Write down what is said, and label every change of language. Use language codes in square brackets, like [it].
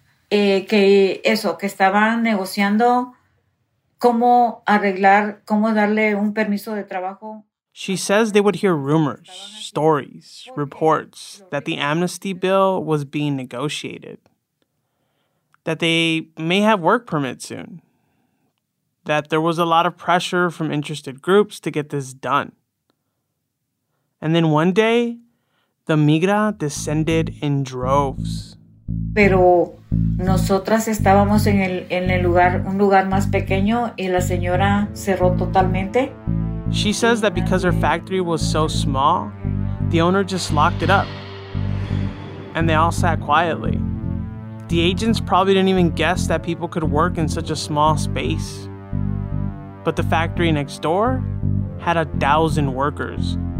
[es] Que eso, que estaban negociando cómo arreglar, cómo darle un permiso de trabajo. [en] She says they would hear rumors, stories, reports that the amnesty bill was being negotiated, that they may have work permits soon, that there was a lot of pressure from interested groups to get this done. And then one day, the Migra descended in droves. [es] Pero nosotras estábamos en el lugar, un lugar más pequeño, y la señora cerró totalmente. [en] She says that because her factory was so small, the owner just locked it up. And they all sat quietly. The agents probably didn't even guess that people could work in such a small space. But the factory next door had 1,000 workers.